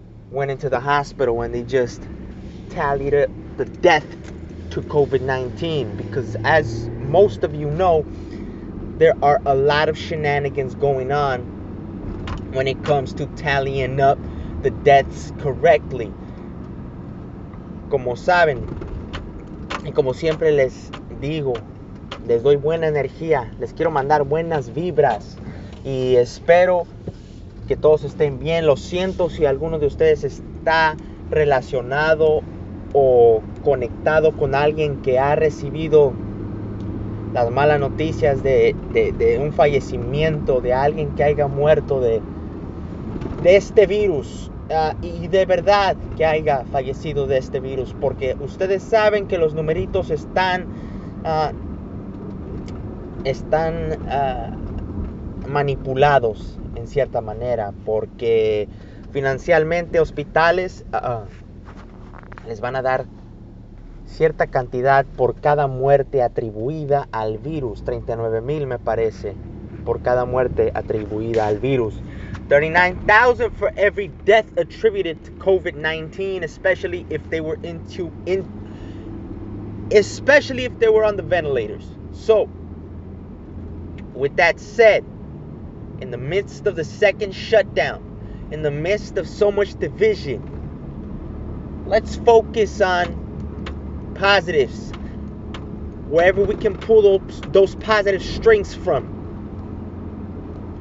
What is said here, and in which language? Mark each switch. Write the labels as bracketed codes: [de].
[en] went into the hospital and they just tallied up the death to COVID-19, because as most of you know, there are a lot of shenanigans going on when it comes to tallying up the deaths correctly. [es] Como saben, y como siempre les digo, les doy buena energía, les quiero mandar buenas vibras, y espero que todos estén bien. Lo siento si alguno de ustedes está relacionado o conectado con alguien que ha recibido las malas noticias de un fallecimiento, de alguien que haya muerto de este virus, y de verdad que haya fallecido de este virus, porque ustedes saben que los numeritos están manipulados en cierta manera, porque financieramente hospitales les van a dar cierta cantidad por cada muerte atribuida al virus, 39,000 me parece, por cada muerte atribuida al virus. [en] 39,000 for every death attributed to COVID-19, especially if they were on the ventilators. So, with that said, in the midst of the second shutdown, in the midst of so much division, let's focus on positives, wherever we can pull those positive strings from.